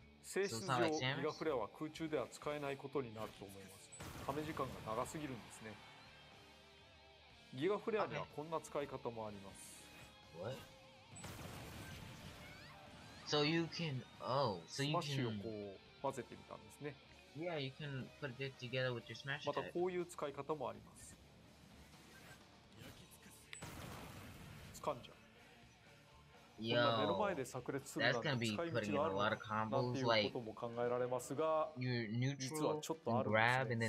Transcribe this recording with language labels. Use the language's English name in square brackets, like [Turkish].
[Japanese] 性質上、ギガフレアは空中では使えないことになると思います。ため時間が長すぎるんですね。ギガフレアにはこんな使い方もあります。 [English] What? So you can, so you can. [Japanese] スマッシュをこう混ぜてみたんですね。 [English] Yeah, you can put it together with your smash type. [Japanese] またこういう使い方もあります。掴んじゃう。 Yo, 目の前で炸裂するなんて使い道があるなんていうことも考えられますが、実はちょっとあるんですね。